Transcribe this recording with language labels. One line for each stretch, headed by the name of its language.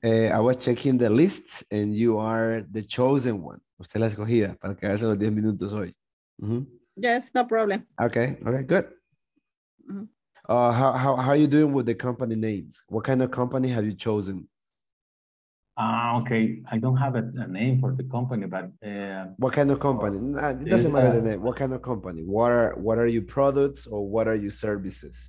English: I was checking the list and you are the chosen one.
Spanish: Usted la escogida para quedarse los 10 minutos hoy.
English: Yes, no problem. Okay. Okay, good. How are you doing with the company names? What kind of company have you chosen? Okay. I don't have a name for the company, but... What kind of company? It doesn't matter the name. What kind of company? What are your products or what are your services?